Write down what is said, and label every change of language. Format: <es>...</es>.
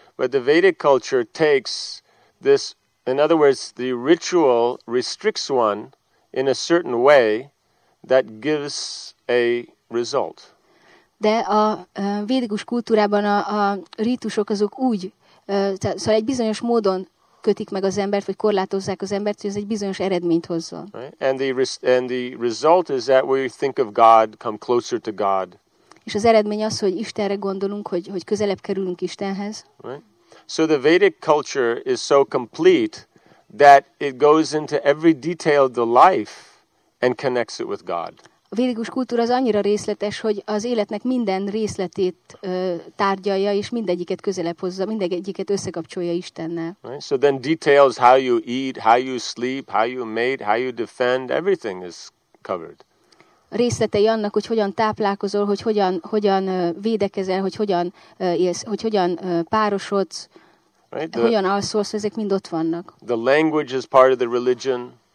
<en>But the Vedic culture takes this, in other words, the ritual restricts one in a certain way that gives a result.</en> <hu>De a védikus kultúrában a rítusok azok úgy, szóval egy bizonyos módon kötik meg az embert, vagy korlátozzák az embert, hogy ez egy bizonyos eredményt hozza.</hu> <en>And the result is that we think of God, come closer to God.</en> <hu>És az eredmény az, hogy Istenre gondolunk, hogy közelebb kerülünk Istenhez.</hu> <en>So the Vedic culture is so complete that it goes into every detail of the life and connects it with God.</en> <hu>A védikus kultúra az annyira részletes, hogy az életnek minden részletét tárgyalja, és mindegyiket közelebb hozza, mindegyiket összekapcsolja Istennel.</hu> <en>Right? So then details how you eat, how you sleep, how you mate, how you defend, everything is covered.</en> <hu>Részletei annak, hogy hogyan táplálkozol, hogy hogyan védekezel, hogy hogyan élsz, hogy hogyan párosodsz, right? Hogyan alszolsz, ezek mind ott vannak.</hu> <en>The language is part of the religion.</en>